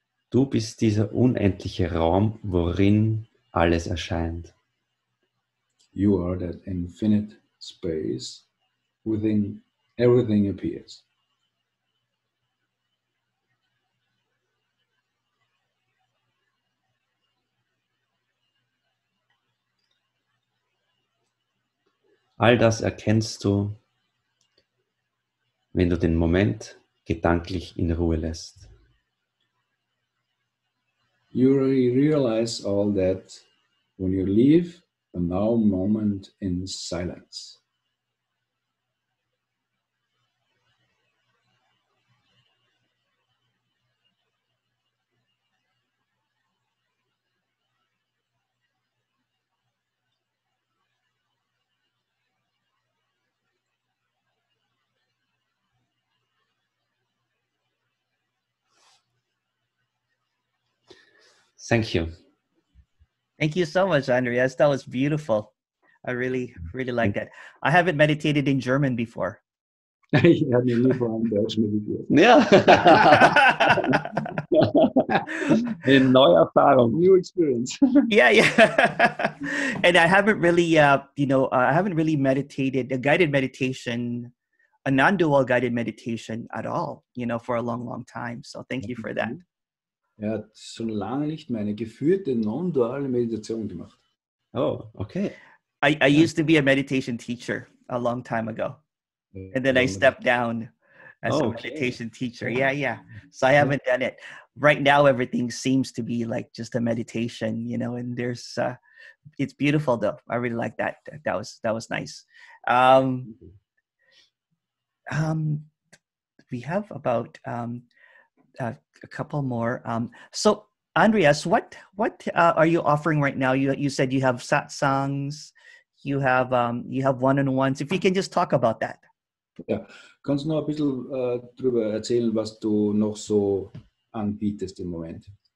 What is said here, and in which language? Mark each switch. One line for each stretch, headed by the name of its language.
German: Du bist dieser unendliche Raum, worin alles erscheint.
English: You are that infinite space within everything appears.
German: All das erkennst du, wenn du den Moment gedanklich in Ruhe lässt.
English: You realize all that when you leave the now moment in silence. Thank you. Thank you so much, Andreas. That was beautiful. I really, really liked that. I haven't meditated in German before.
German: Yeah. In neue Erfahrung.
English: New experience. Yeah, yeah. And I haven't really meditated, a guided meditation a non-dual guided meditation at all, you know, for a long, long time. So thank you for that.
German: Er hat schon lange nicht meine geführte non-duale Meditation gemacht.
English: Oh, okay. I used to be a meditation teacher a long time ago. And then I stepped down as a meditation teacher. Yeah. So I haven't done it. Right now, everything seems to be like just a meditation, you know, and there's, it's beautiful though. I really like that. That was nice. We have about a couple more. So Andreas, what are you offering right now? You said you have satsangs, you have one-on-ones. If you can just talk about that.
German: Ja, kannst du noch ein bisschen darüber erzählen, was du noch so anbietest im Moment?